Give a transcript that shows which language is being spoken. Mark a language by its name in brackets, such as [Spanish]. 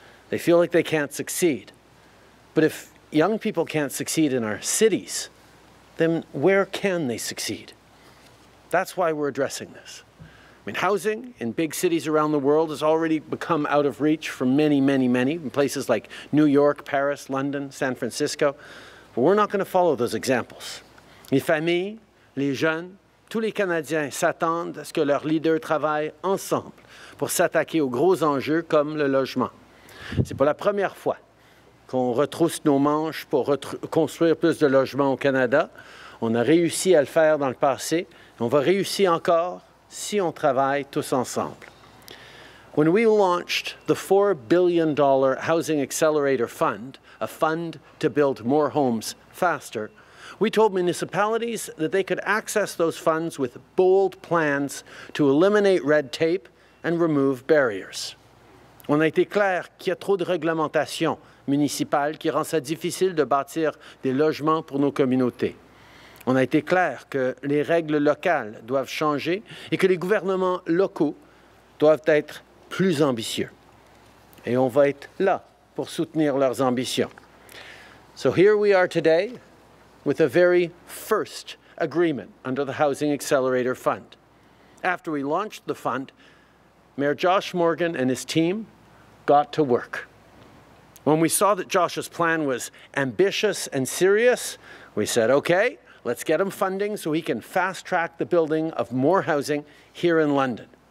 [English] They feel like they can't succeed. But if young people can't succeed in our cities, then where can they succeed? That's why we're addressing this. I mean, housing in big cities around the world has already become out of reach for many, many, many, in places like New York, Paris, London, San Francisco. But we're not going to follow those examples. [French] Les familles, les jeunes, tous les Canadiens s'attendent à ce que leurs leaders travaillent ensemble pour s'attaquer aux gros enjeux comme le logement. C'est pas la première fois qu'on retrousse nos manches pour construire plus de logements au Canada. On a réussi à le faire dans le passé. On va réussir encore si on travaille tous ensemble. [English] When we launched the $4 billion Housing Accelerator Fund, a fund to build more homes faster, we told municipalities that they could access those funds with bold plans to eliminate red tape and remove barriers. [French] On a été clair qu'il y a trop de réglementations municipales qui rend ça difficile de bâtir des logements pour nos communautés. On a été clair que les règles locales doivent changer et que les gouvernements locaux doivent être plus ambitieux. Et on va être là pour soutenir leurs ambitions. [English] So here we are today with a very first agreement under the Housing Accelerator Fund. After we launched the fund, Mayor Josh Morgan and his team got to work. When we saw that Josh's plan was ambitious and serious, we said, okay, let's get him funding so he can fast-track the building of more housing here in London.